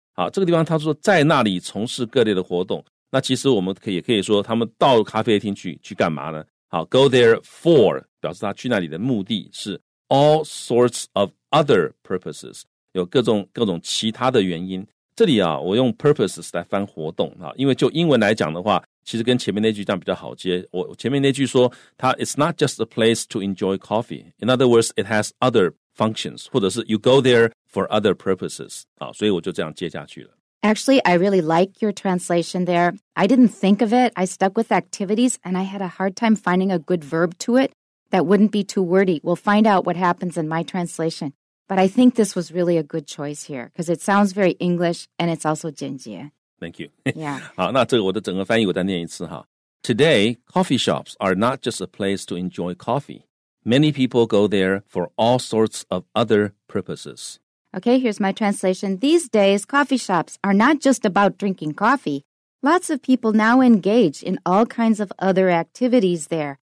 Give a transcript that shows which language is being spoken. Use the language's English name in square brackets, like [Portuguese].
[Chinese] 好，这个地方他说在那里从事各类的活动，那其实我们也可以说他们到咖啡厅去干嘛呢？好 ， [English] go there for [Chinese] 表示他去那里的目的是 [English] all sorts of other purposes， [Chinese] 有各种其他的原因。这里啊，我用 purposes 来翻活动啊，因为就英文来讲的话，其实跟前面那句这样比较好接。我前面那句说他 [English] it's not just a place to enjoy coffee，in other words it has other functions， [Chinese] 或者是 [English] you go there。 For other purposes. [Chinese] 好，所以我就这样接下去了。 [English] Actually, I really like your translation there. I didn't think of it. I stuck with activities and I had a hard time finding a good verb to it that wouldn't be too wordy. We'll find out what happens in my translation. But I think this was really a good choice here because it sounds very English and it's also [Chinese] 简洁。 [English] Thank you. Yeah. [Chinese] 好，那这个我的整个翻译我再念一次哈。 [English] Today, coffee shops are not just a place to enjoy coffee. Many people go there for all sorts of other purposes. Okay, here's my translation. These days, coffee shops are not just about drinking coffee. Lots of people now engage in all kinds of other activities there.